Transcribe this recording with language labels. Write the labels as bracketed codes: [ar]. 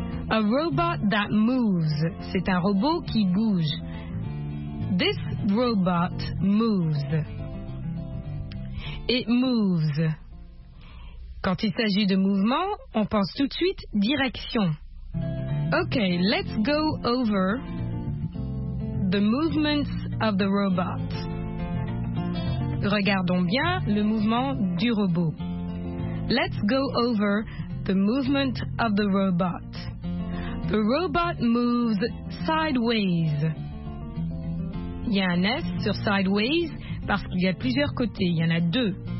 [en] A robot that moves, [fr] c'est un robot qui bouge. [en] This robot moves. It moves. [fr] Quand il s'agit de mouvement, on pense tout de suite direction. [en] OK, let's go over the movements of the robot. [fr] Regardons bien le mouvement du robot. [en] Let's go over the movement of the robot. The robot moves sideways. [fr] Il y a un S sur sideways parce qu'il y a plusieurs côtés, il y en a deux.